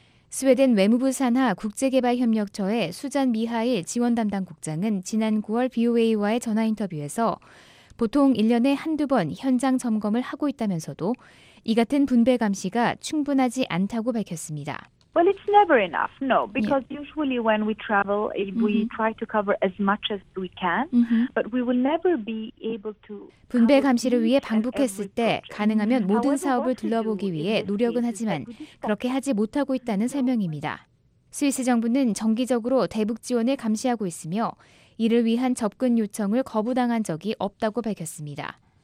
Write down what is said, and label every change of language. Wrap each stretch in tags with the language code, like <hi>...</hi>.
<ko>스웨덴 외무부 산하 국제개발협력처의 수잔 미하일 지원 담당 국장은 지난 9월 BOA와의 전화 인터뷰에서 보통 1년에 한두 번 현장 점검을 하고 있다면서도 이 같은 분배 감시가 충분하지 않다고 밝혔습니다.</ko> <en>Well, it's never enough. No, because usually when we travel, we try to cover as much as we can, but we will never be able to.</en> <ko>분배 감시를 위해 방북했을 때 가능하면 모든 사업을 둘러보기 위해 노력은 하지만 그렇게 하지 못하고 있다는 설명입니다. 스위스 정부는 정기적으로 대북 지원을 감시하고 있으며 이를 위한 접근 요청을 거부당한 적이 없다고 밝혔습니다.</ko>